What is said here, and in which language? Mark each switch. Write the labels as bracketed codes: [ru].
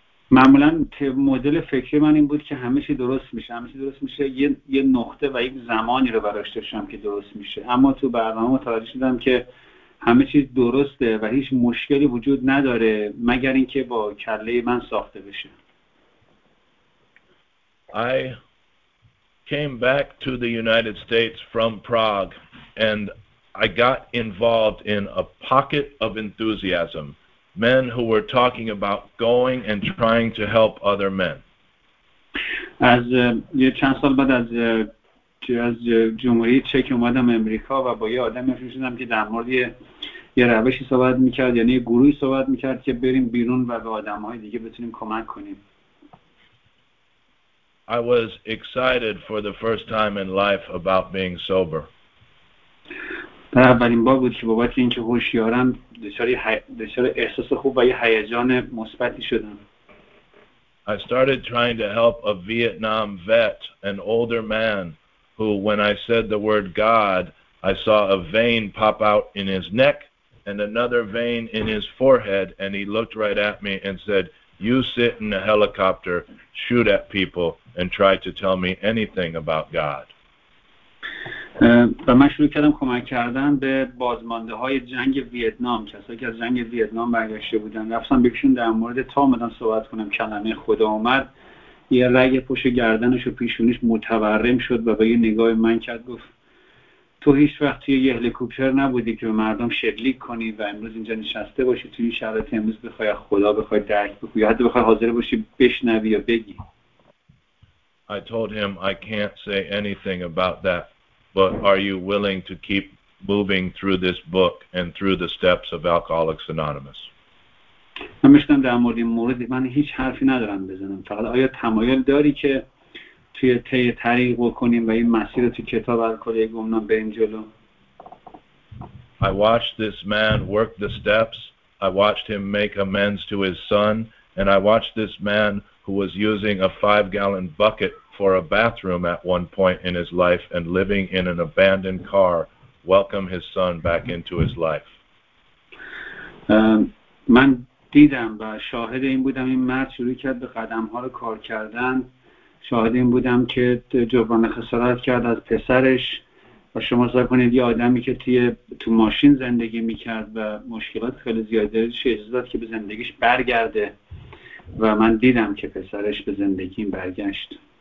[fa] معمولا مدل فکری من این بود که همه چی درست میشه، همه چی درست میشه، یه نقطه و یک زمانی رو براش داشتم که درست میشه. اما تو برنامه متوجه شدم که همه چی درسته و هیچ مشکلی وجود نداره مگر اینکه با کله من ساخته بشه. [en] I came back to the United States from Prague and I got involved in a pocket of enthusiasm. Men who were talking about going and trying to help other men. [fa] از یه چند سال بعد از جمهوری چک اومدم امریکا و با یه آدم میشدم که در مورد یه روشی صحبت میکرد، یعنی یه گروهی صحبت میکرد که بریم بیرون و به آدمهای دیگه بتونیم کمک کنیم. [en] I was excited for the first time in life about being sober. [fa] برای اولین بار بود که بابت اینکه هوشیارم دچار احساس خوب و یه هیجان مثبتی شدم. [en] I started trying to help a Vietnam vet, an older man, who when I said the word God, I saw a vein pop out in his neck and another vein in his forehead, and he looked right at me and said, "You sit in a helicopter, shoot at people, and try to tell me anything about God." [fa] و من شروع کردم کمک کردن به بازمانده های جنگ ویتنام، کسایی که از جنگ ویتنام برگشته بودن. رفتم بهشون در مورد تا آمدن صحبت کنم کلمه خدا آمد، یه رگ پشت گردنش و پیشونیش متورم شد و به یه نگاه من کرد، گفت تو هیچ وقت توی یه هلیکوپتر نبودی که به مردم شلیک کنی و امروز اینجا نشسته باشی، توی این شرایط امروز بخوای خدا بخوای درک بکنی، حتی بخوای حاضر باشی بشنوی یا بگی. [en] I told him I can't say anything about that. But are you willing to keep moving through this book and through the steps of Alcoholics Anonymous? [fa] همیشه در مورد این مورد من هیچ حرفی ندارم بزنم. فقط آیا تمایل داری که توی طی طریق بکنیم و این مسیر تو کتاب الکلی گمنام بریم جلو؟ [en] I watched this man work the steps. I watched him make amends to his son. And I watched this man who was using a 5-gallon bucket for a bathroom at one point in his life and living in an abandoned car welcome his son back into his life. [fa] من دیدم و شاهد این بودم این مرد شروع کرد به قدم‌ها رو کار کردن، شاهد این بودم که جبران خسارت کرد از پسرش و شما فکر کنید یه آدمی که تو ماشین زندگی می‌کرد و مشکلات خیلی زیاد داشت اجازه داد که به زندگیش برگرده و من دیدم که پسرش به زندگیم برگشت.